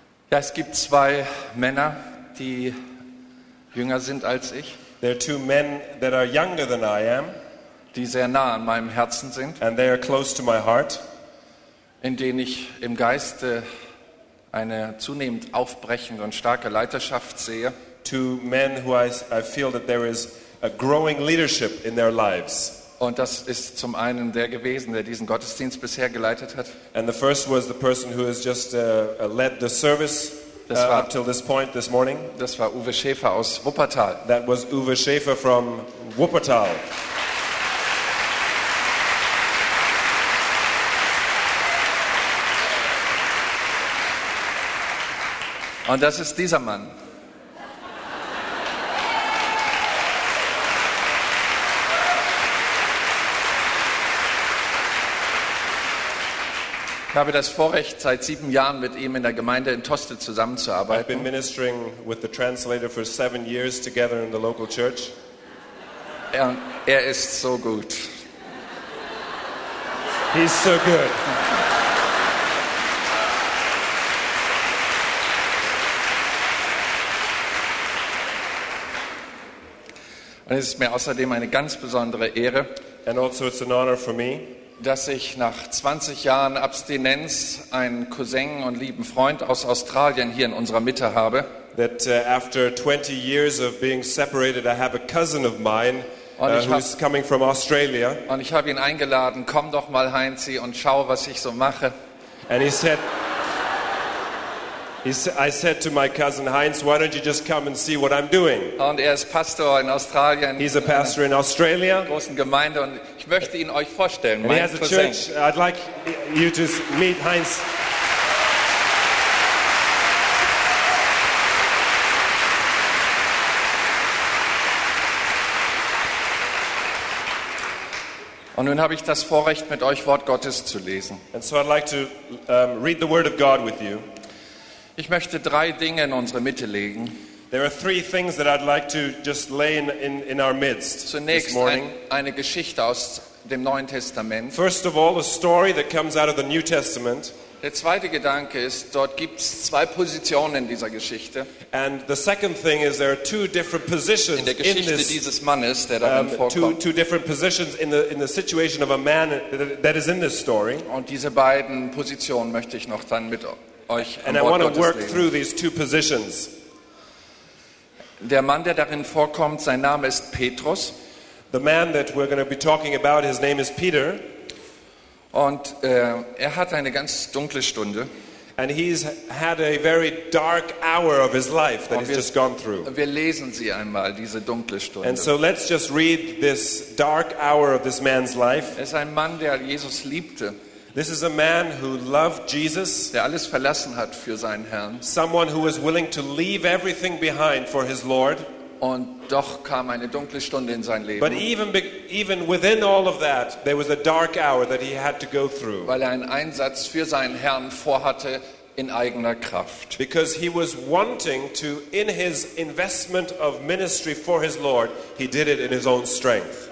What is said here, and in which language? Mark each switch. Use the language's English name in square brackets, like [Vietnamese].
[German] Ja, es gibt zwei Männer, die jünger sind als ich. [English] There are two men that are younger than I am. [German] Die sehr nah an meinem Herzen sind. [English] And they are close to my heart. [German] In denen ich im Geiste eine zunehmend aufbrechende und starke Leiterschaft sehe. [English] Two men who I feel that there is a growing leadership in their lives. [German] Und das ist zum einen der gewesen, der diesen Gottesdienst bisher geleitet hat. [English] And the first was the person who has just led the service up till this point this morning. [German] Das war Uwe Schäfer aus Wuppertal. [English] That was Uwe Schäfer from Wuppertal. [German] Und das ist dieser Mann. Ich habe das Vorrecht, seit 7 Jahren mit ihm in der Gemeinde in Toste zusammenzuarbeiten. [English] I've been ministering with the translator for 7 years together in the local church. [German] Er ist so gut. [English] He's so good. [German] Und es ist mir außerdem eine ganz besondere Ehre. [English] And also it's an honor for me. [German] Dass ich nach 20 Jahren Abstinenz einen Cousin und lieben Freund aus Australien hier in unserer Mitte habe. [English] That after 20 years of being separated, I have a cousin of mine who's coming from Australia. [German] Und ich habe ihn eingeladen, komm doch mal, Heinzi, und schau, was ich so mache. [English] And I said to my cousin Heinz, why don't you just come and see what I'm doing? [German] Und er ist Pastor in Australien. [English] He's a pastor in Australia. [German] Großen Gemeinde, und ich möchte ihn euch vorstellen. [English] And he has a church. I'd like you to meet Heinz. [German] Und nun habe ich das Vorrecht, mit euch Wort Gottes zu lesen. [English] And so I'd like to read the Word of God with you. [German] Ich möchte drei Dinge in unsere Mitte legen. [English] There are three things that I'd like to just lay in our midst. [German] Zunächst [English] this morning. [German] Eine Geschichte aus dem Neuen Testament. [English] First of all, a story that comes out of the New Testament. [German] Der zweite Gedanke ist, dort gibt's zwei Positionen in dieser Geschichte. [English] And the second thing is there are two different positions [German] in der Geschichte [English] in this, [German] dieses Mannes, der darin vorkommt. [English] Two different positions in the situation of a man that is in this story. [German] Und diese beiden Positionen möchte ich noch dann mit euch am [English] and [German] Wort [English] I want to [German] Gottes legen. [English] Through these two positions. [German] Der Mann, der darin vorkommt, sein Name ist Petrus. [English] The man that we're going to be talking about, his name is Peter. [German] Und er hat eine ganz dunkle Stunde. [English] And he's had a very dark hour of his life that [German] wir, [English] he's just gone through. [German] Wir lesen sie einmal, diese dunkle Stunde. [English] And so let's just read this dark hour of this man's life. [German] Es ist ein Mann, der Jesus liebte. [English] This is a man who loved Jesus, [German] der alles verlassen hat für seinen Herrn. [English] Someone who was willing to leave everything behind for his Lord. [German] Und doch kam eine dunkle Stunde in sein Leben. [English] But even within all of that, there was a dark hour that he had to go through. [German] Weil er einen Einsatz für seinen Herrn vorhatte in eigener Kraft. [English] Because he was wanting to, in his investment of ministry for his Lord, he did it in his own strength.